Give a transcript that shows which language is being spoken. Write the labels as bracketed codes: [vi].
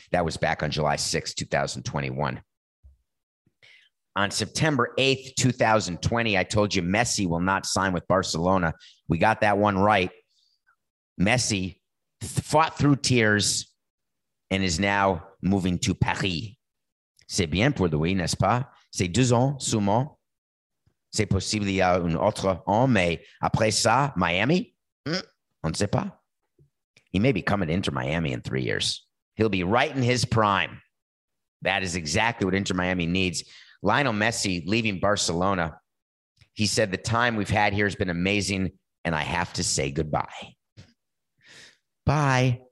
[en] That was back on July 6, 2021. On September 8th, 2020, I told you Messi will not sign with Barcelona. We got that one right. Messi fought through tears and is now moving to Paris. [fr] C'est bien pour lui, n'est-ce pas? C'est 2 ans, sûrement. C'est possible qu'il y a un autre an, mais après ça, Miami? On ne sait pas. [en] He may be coming to Inter Miami in 3 years. He'll be right in his prime. That is exactly what Inter Miami needs. Lionel Messi leaving Barcelona. He said, the time we've had here has been amazing, and I have to say goodbye. Bye.